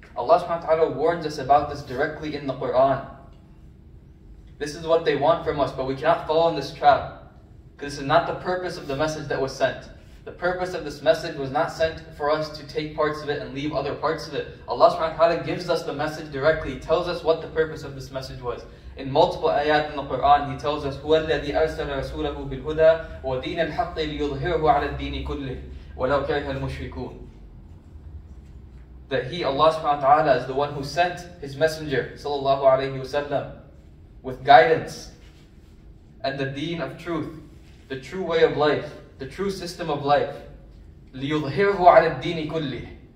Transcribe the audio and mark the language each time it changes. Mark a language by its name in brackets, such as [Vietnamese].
[English] Allah subhanahu wa ta'ala warns us about this directly in the Quran. This is what they want from us, but we cannot fall in this trap. This is not the purpose of the message that was sent. The purpose of this message was not sent for us to take parts of it and leave other parts of it. Allah subhanahu wa ta'ala gives us the message directly, tells us what the purpose of this message was. In multiple ayat in the Quran, He tells us, [Arabic] هُوَ الَّذِي أَرْسَلَ رَسُولَهُ بِالْهُدَىٰ وَدِينَ الْحَقِّ لِيُظْهِرَهُ عَلَى الدِّينِ كُلِّهِ وَلَوْ كَرِهَ الْمُشْرِكُونَ. [English] That He, Allah subhanahu wa ta'ala, is the one who sent His Messenger, sallallahu alayhi wa sallam, with guidance and the deen of truth, the true way of life, the true system of life. [Arabic] لِيُظْهِرْهُ عَلَى الدِّينِ كُلِّهِ.